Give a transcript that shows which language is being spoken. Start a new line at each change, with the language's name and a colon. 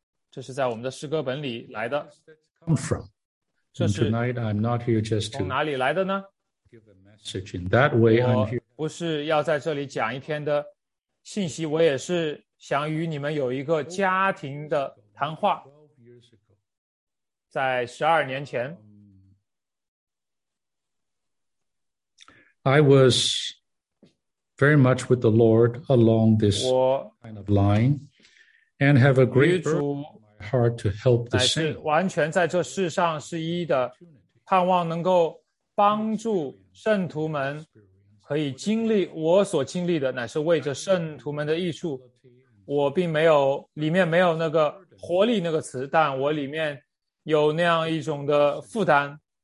Chinese: 这是在我们的诗歌本里来的。
English: Come from, and tonight I'm not here just to.
Chinese: 从哪里来的呢？
English: Give a message in that way.
Chinese: 我不是要在这里讲一篇的信息，我也是想与你们有一个家庭的谈话。在12年前。
English: I was very much with the Lord along this kind of line and have a great heart to help the saints.
Chinese: 完全在这世上是一的，盼望能够帮助圣徒们可以经历我所经历的，乃是为着圣徒们的益处。我并没有，里面没有那个活力那个词，但我里面有那样一种的负担。